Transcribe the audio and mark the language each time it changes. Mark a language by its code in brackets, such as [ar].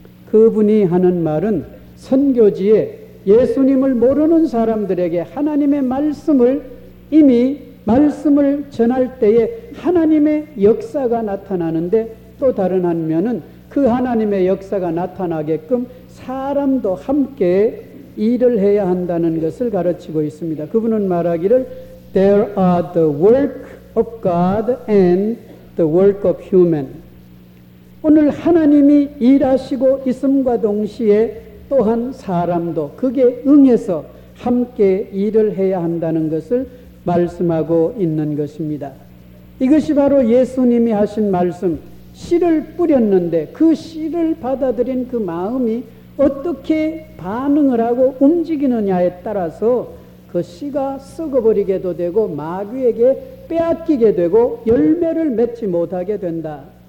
[ko] 그분이 하는 말은 선교지에 예수님을 모르는 사람들에게 하나님의 말씀을 이미 말씀을 전할 때에 하나님의 역사가 나타나는데 또 다른 한 면은 그 하나님의 역사가 나타나게끔 사람도 함께 일을 해야 한다는 것을 가르치고 있습니다. 그분은 말하기를 [en] There are the work of God and the work of human. [ko] 오늘 하나님이 일하시고 있음과 동시에 또한 사람도 그게 응해서 함께 일을 해야 한다는 것을 말씀하고 있는 것입니다. 이것이 바로 예수님이 하신 말씀, 씨를 뿌렸는데 그 씨를 받아들인 그 마음이 어떻게 반응을 하고 움직이느냐에 따라서 그 씨가 썩어버리게도 되고 마귀에게 빼앗기게 되고 열매를 맺지 못하게 된다.